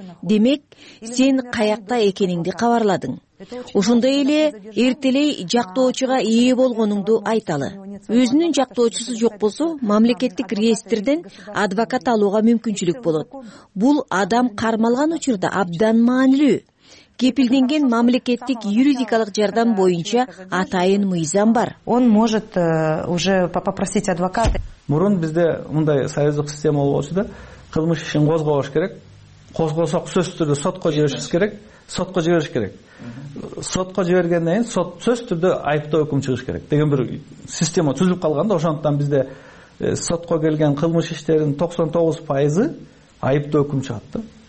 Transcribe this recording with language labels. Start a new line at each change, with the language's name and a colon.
Kyrgyz: Демек, сен каякта экениңди кабарладың. Ошондой эле эртелей жактоочуга ээ болгонуңду айталы. Өзүнүн жактоочусу жок болсо, мамлекеттик реестрден адвокат алууга мүмкүнчүлүк болот. Бул адам кармалган учурда абдан маанилүү. Кепилденген мамлекеттик юридикалык жардам боюнча атайын мыйзам бар.
Russian: Он может уже попросить адвоката.
Kyrgyz: Мурун бизде мындай союздук система болчу да, кылмыш ишин козгобош керек. Козгосок сөзсүз түрдө сотко жиберишибиз керек, сотко жибериш керек. Сотко жибергенден кийин сот сөзсүз түрдө айыптоо өкүм чыгыш керек деген бир система түзүлүп калган да, ошондуктан бизде сотко келген кылмыш иштердин 99% айыптоо өкүм чыгат да.